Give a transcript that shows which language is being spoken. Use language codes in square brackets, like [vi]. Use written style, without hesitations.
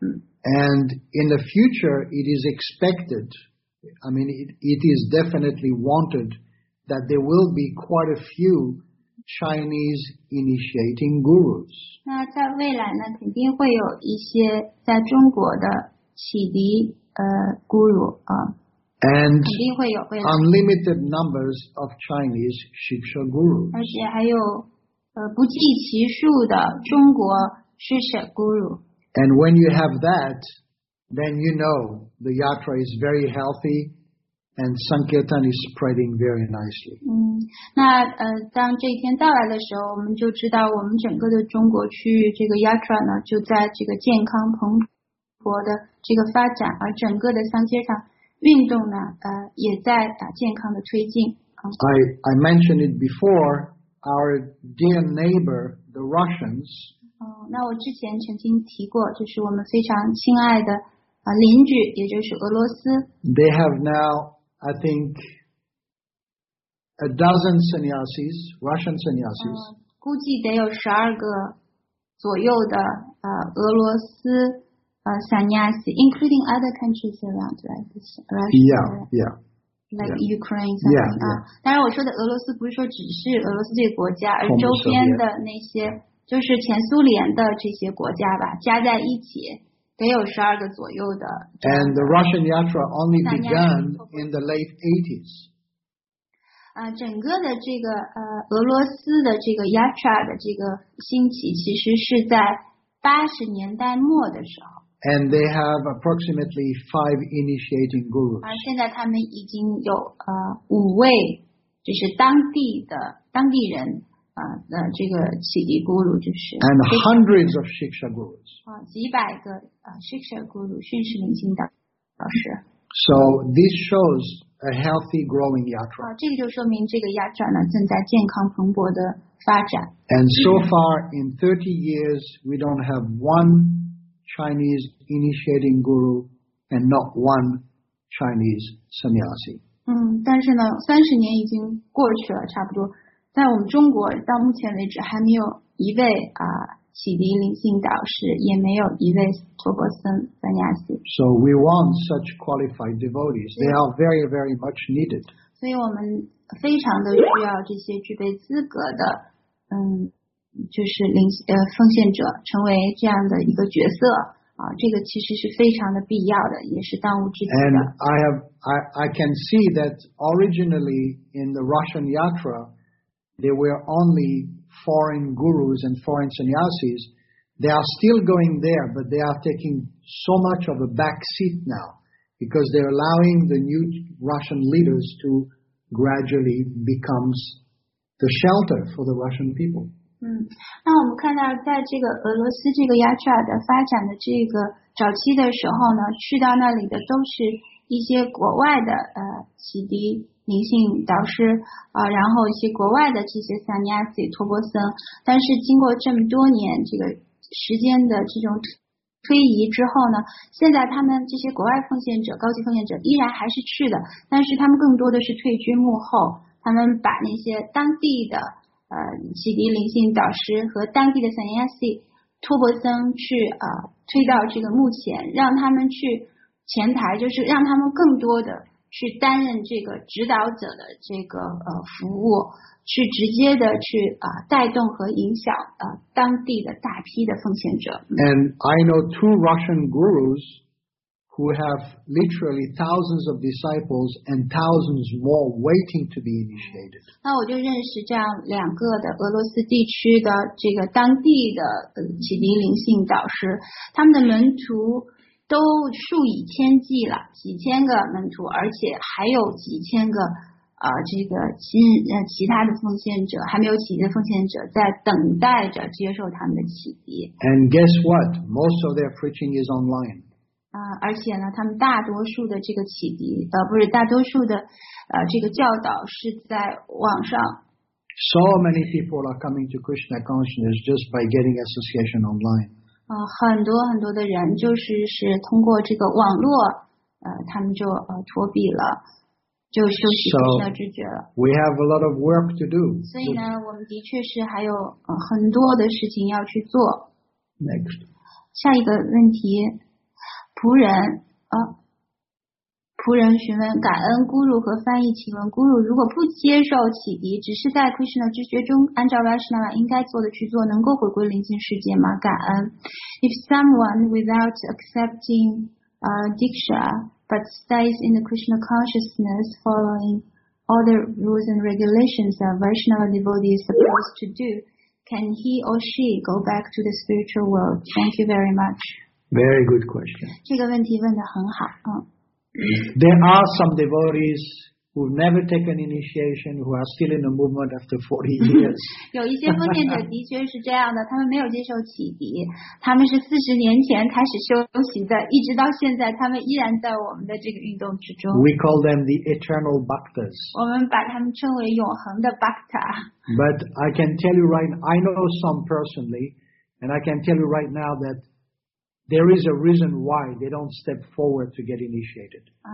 [en] And in the future, it is expected, I mean, it is definitely wanted that there will be quite a few Chinese initiating gurus. [zh] 那在未来呢，肯定会有一些在中国的启迪guru啊。 [en] And unlimited numbers of Chinese Shiksha Gurus. [zh] 而且还有不计其数的中国 Shiksha Guru. [en] And when you have that, then you know the yatra is very healthy and Sankirtan is spreading very nicely. [zh] 那当这一天到来的时候，我们就知道我们整个的中国区域这个 yatra 呢，就在这个健康蓬勃的这个发展，而整个的Sankirtan运动呢，也在健康的推进。 [en] I mentioned it before. Our dear neighbor, the Russians. [zh] 那我之前曾经提过，就是我们非常亲爱的邻居，也就是俄罗斯。 [en] They have now, I think, a dozen sannyasis, Russian sannyasis. [zh] 估计得有十二个左右的俄罗斯。 Sannyasi, including other countries around, right? Russia, yeah. Ukraine, something. 当然我说的俄罗斯不是说只是俄罗斯这个国家，而周边的那些就是前苏联的这些国家吧，加在一起得有十二个左右的。 [en] And the Russian Yatra only began in the late 80s. [zh] 整个的这个俄罗斯的这个 Yatra 的这个兴起其实是在80年代末的时候。 [en] And they have approximately 5 initiating gurus. [zh] 而现在他们已经有五位就是当地的当地人这个启迪 guru 就是。 [en] And hundreds of Shiksha gurus. [zh] 几百个Shiksha guru, 训士灵性导师。 [en] So this shows a healthy growing yatra. [zh] 这个就说明这个 yatra 呢正在健康蓬勃的发展。 [en] And so far in 30 years, we don't have one Chinese initiating guru and not one Chinese sannyasi. [zh] 但是呢 ,30 年已经过去了差不多。在我们中国到目前为止还没有一位启迪灵性导师也没有一位托钵僧 sannyasi. [en] So we want such qualified devotees. They are very, very much needed. [zh] 所以我们非常的需要这些具备资格的就是奉献者成为这样的一个角色这个其实是非常的必要的也是当务之急的。 [en] And I can see that originally in the Russian Yatra, there were only foreign gurus and foreign sannyasis. They are still going there, but they are taking so much of a back seat now because they're allowing the new Russian leaders to gradually become the shelter for the Russian people. [zh] 那我们看到在这个俄罗斯这个 Yatra 的发展的这个早期的时候呢去到那里的都是一些国外的启迪灵性导师然后一些国外的这些 Sannyasi 托钵僧但是经过这么多年这个时间的这种推移之后呢现在他们这些国外奉献者高级奉献者依然还是去的但是他们更多的是退居幕后他们把那些当地的启迪灵性导师和当地的 Sannyasi 托钵僧去推到这个幕前让他们去前台就是让他们更多的去担任这个指导者的这个服务去直接的去带动和影响当地的大批的奉献者 [en] And I know two Russian gurus who have literally thousands of disciples and thousands more waiting to be initiated. [zh] 那我就认识这样两个的俄罗斯地区的这个当地的启迪灵性导师，他们的门徒都数以千计了，几千个门徒，而且还有几千个这个其他的奉献者还没有启迪的奉献者在等待着接受他们的启迪。 [en] And guess what? Most of their preaching is online. [zh] 而且呢他们大多数的这个启迪不是大多数的这个教导是在网上。 [en] So many people are coming to Krishna consciousness just by getting association online. [zh] 很多很多的人就是通过这个网络他们就脱壁了就休息Krishna知觉了。 [en] So, we have a lot of work to do. [zh] 所以呢我们的确是还有很多的事情要去做。 [en] Next. [zh] 下一个问题。仆人仆人询问感恩咕噜和翻译请问咕噜如果不接受启迪只是在 Krishna 知觉中按照 Vaishnava 应该做的去做能够回归灵性世界吗感恩 [en] If someone without accepting Diksha but stays in the Krishna consciousness following all the rules and regulations that Vaishnava devotee is supposed to do can he or she go back to the spiritual world Thank you very much Very good question. [zh] 这个问题问得很好。 [en] There are some devotees who've never taken initiation who are still in the movement after 40 years. [zh] 有一些奉献者的确是这样的他们没有接受启迪他们是40年前开始修习的一直到现在他们依然在我们的这个运动之中。 [en] We call them the eternal bhaktas. [zh] 我们把他们称为永恒的 bhakta. [en] But I can tell you right now, I know some personally, and I can tell you right now that There is a reason why they don't step forward to get initiated.